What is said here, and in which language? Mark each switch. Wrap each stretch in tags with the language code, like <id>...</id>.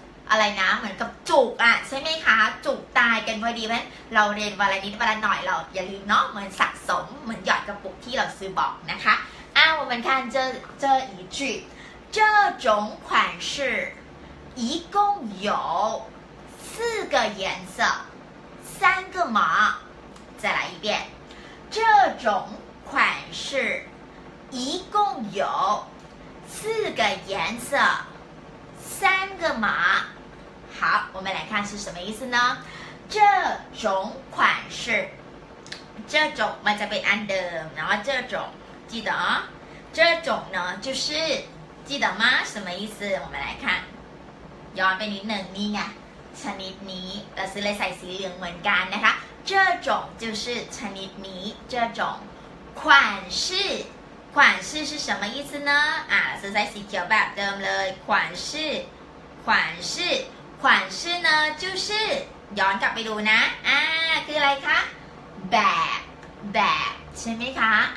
<th>อะไรนะเหมือนกับจุกอ่ะใช่ไหมคะจุกตายกันพอดีเพราะฉะนั้นเราเรียนวันละนิดวันละหน่อยเราอย่าลืมเนาะเหมือนสะสมเหมือนหยอดกระปุกที่เราซื้อบอกนะคะวันนี้</th> <zh>看这一句这种款式一共有四个颜色三个码再来一遍这种款式一共有四个个颜色，三个码。好，我们来看是什么意思呢？这种款式，这种</zh> <th>มันจะเป็นอันเดิม，</th> <zh>然后这种记得啊，这种呢就是记得吗？什么意思？我们来看，</zh> <th>ย้อนไปนิดหนึ่งนี่ไงชนิดนี้เราซื้อเลยใส่สีเหลืองเหมือนกันนะคะ</th> <zh>这种就是</zh> <th>ชนิดนี้</th> <zh>这种款式款式是什么意思呢啊</zh> <th>ซื้อใส่สีเขียวแบบเดิมเลย</th> <zh>款式款式款式呢就是</zh> <th>ย้อนกลับไปดูนะคืออะไรคะแบบใช่ไหมคะ</th>